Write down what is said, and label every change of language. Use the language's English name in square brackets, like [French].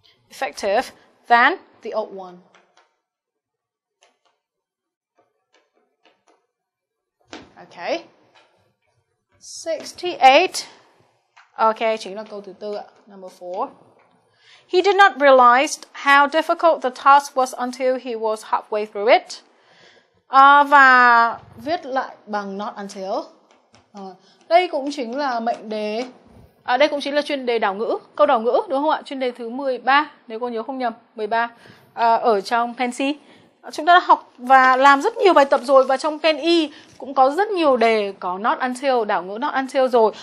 [English] Effective than the old one. Okay. 68. [Vietnamese] Okay, chính là câu thứ tư ạ. [English] Number 4. He did not realize how difficult the task was until he was halfway through it. [Vietnamese] Và viết lại bằng not until. Đây cũng chính là mệnh đề. Đây cũng chính là chuyên đề đảo ngữ, câu đảo ngữ đúng không ạ? Chuyên đề thứ 13, nếu cô nhớ không nhầm, 13 ở trong Pansy. Chúng ta đã học và làm rất nhiều bài tập rồi, và trong Pansy cũng có rất nhiều đề có not until, đảo ngữ not until rồi.